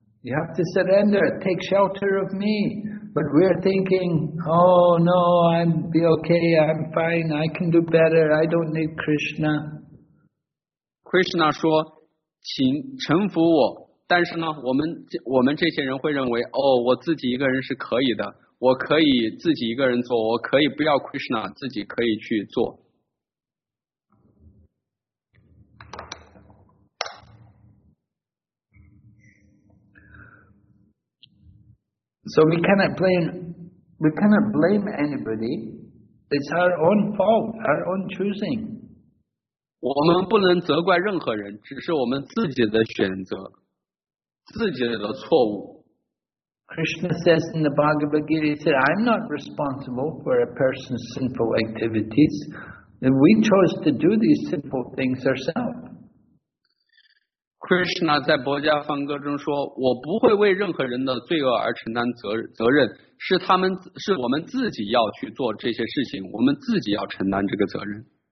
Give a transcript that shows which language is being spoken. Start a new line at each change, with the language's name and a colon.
English: You have to surrender, take shelter of me. But we're thinking, oh no, I'll be okay, I'm fine, I can do better, I don't need Krishna.
Chinese: Krishna 说，请臣服我。但是呢，我们这些人会认为，哦，我自己一个人是可以的，我可以自己一个人做，我可以不要 Krishna， 自己可以去做。
English: So we cannot blame anybody. It's our own fault, our own choosing.
Chinese: 我们不能责怪任何人，只是我们自己的选择，自己的错误。
English: Krishna says in the Bhagavad Gita, he said, "I'm not responsible for a person's sinful activities. We chose to do these sinful things ourselves."
Chinese: Krishna 在薄伽梵歌中说，我不会为任何人的罪恶而承担责任，是我们自己要去做这些事情，我们自己要承担这个责任。